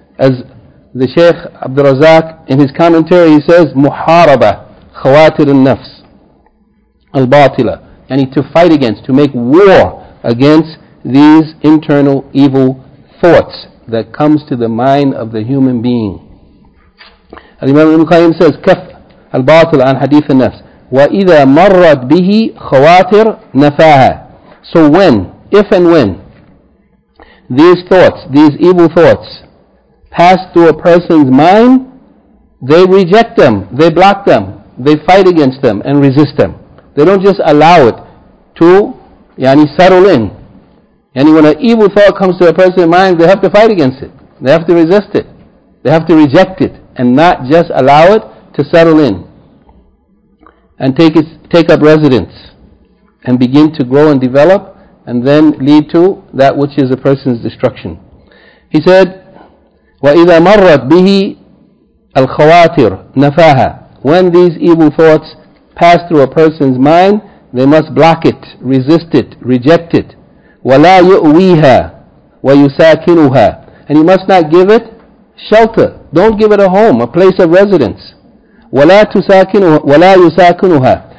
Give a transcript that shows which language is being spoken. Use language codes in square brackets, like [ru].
[en] As the Shaykh Abdul Razak in his commentary, he says, [ar] Muharaba khawatir al-nafs al-batila. [en] To fight against, to make war against these internal evil thoughts that comes to the mind of the human being. [ar] الإمام ابن القيم [en] says [ar] كف الباطل عن حديث النفس وإذا مرت به خواطر نفاها. [en] So when, if and when these thoughts, these evil thoughts pass through a person's mind, they reject them, they block them, they fight against them and resist them. They don't just allow it to settle in. And when an evil thought comes to a person's mind, they have to fight against it. They have to resist it. They have to reject it and not just allow it to settle in and take up residence and begin to grow and develop and then lead to that which is a person's destruction. He said, [ar] وَإِذَا مَرَّتْ بِهِ الْخَوَاتِرُ نَفَاهَا. [en] When these evil thoughts pass through a person's mind, they must block it, resist it, reject it. [ar] وَلَا يُؤْوِيهَا وَيُسَاكِنُهَا. [en] And you must not give it shelter. Don't give it a home, a place of residence. [ar] وَلَا يُسَاكِنُهَا.